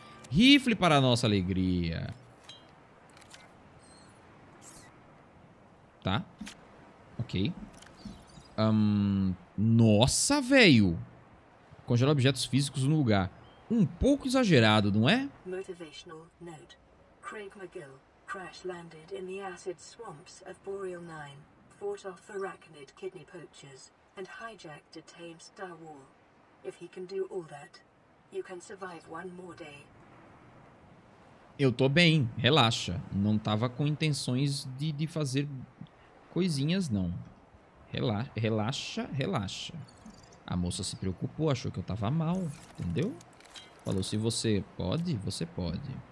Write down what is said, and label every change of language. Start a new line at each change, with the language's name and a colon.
Portuguese: Rifle para a nossa alegria. Tá. Ok. Nossa, velho. Congela objetos físicos no lugar. Um pouco exagerado, não é?
English: Motivational note. Craig McGill crash landed in the acid swamps of Boreal 9, fought off arachnid kidney poachers, and hijacked a tamed Star War. If he can do all that, you can survive one more day.
Portuguese: Eu tô bem, relaxa. Não tava com intenções de fazer coisinhas, não. Relaxa. A moça se preocupou, achou que eu tava mal, entendeu? Falou, se você pode, você pode.